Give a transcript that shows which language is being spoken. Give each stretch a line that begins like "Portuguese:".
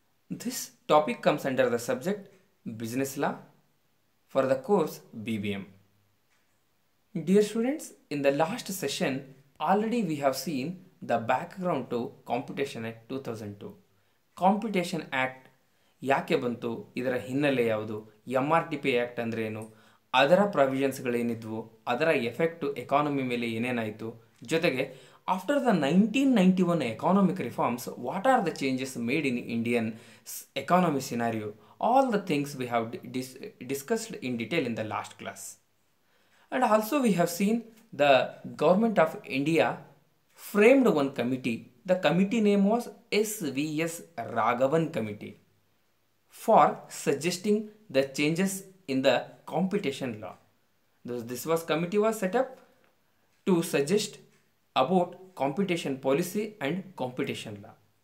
English: This topic comes under the subject Business Law for the course BBM. Dear students, in the last session, already we have seen the background to Competition Act 2002. Competition Act
Kannada: ಯಾಕೆ ಬಂತು, ಇದರ ಹಿನ್ನೆಲೆ ಯಾವುದು, M R T P act ಅಂದ್ರೇನು, ಅದರ ಪ್ರಾವಿಷನ್ಸ್ಗಳೇನಿದ್ವು, ಅದರ effect economy ಮೇಲೆ ಏನೇನಾಯಿತು, ಜೊತೆಗೆ
English: After the 1991 economic reforms what are the changes made in Indian economy scenario, all the things we have discussed in detail in the last class. And also we have seen the government of India framed one committee. The committee name was S V S Raghavan committee for suggesting the changes in the competition law. This was committee was set up to suggest about competition policy and competition law.